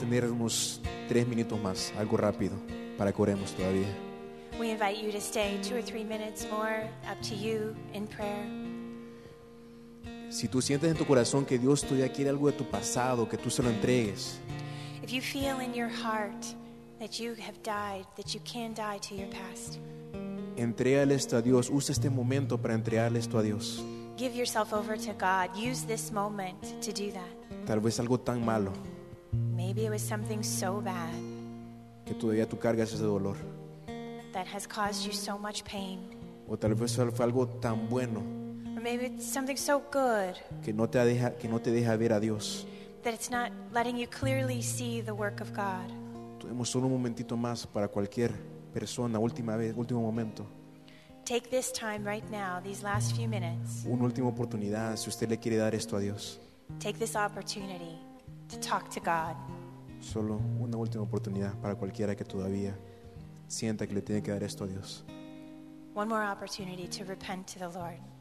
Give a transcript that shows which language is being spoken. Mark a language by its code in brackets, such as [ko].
[es] Unos tres minutos más, algo rápido, para que oremos todavía. [en] We invite you to stay two or three minutes more, up to you, in prayer. [es] Si tú sientes en tu corazón que Dios todavía quiere algo de tu pasado, que tú se lo entregues. [en] If you feel in your heart that you have died, that you can die to your past. [es] Entrégale esto a Dios. Usa este momento para entregarle esto a Dios. [en] Give yourself over to God. Use this moment to do that. [es] Tal vez algo tan malo. [en] Maybe it was something so bad [es] que todavía tú cargas ese dolor. [en] That has caused you so much pain. [es] O tal vez fue algo tan bueno. [en] Or maybe it's something so good [es] que no te deja ver a Dios. [en] That it's not letting you clearly see the work of God. [es] Tenemos solo un momentito más para cualquier persona, última vez, último momento. [en] Take this time right now, these last few minutes. [es] Una última oportunidad si usted le quiere dar esto a Dios. [en] Take this opportunity to talk to God. [es] Solo una última oportunidad para cualquiera que todavía sienta que le tiene que dar esto a Dios. [en] One more opportunity to repent to the Lord.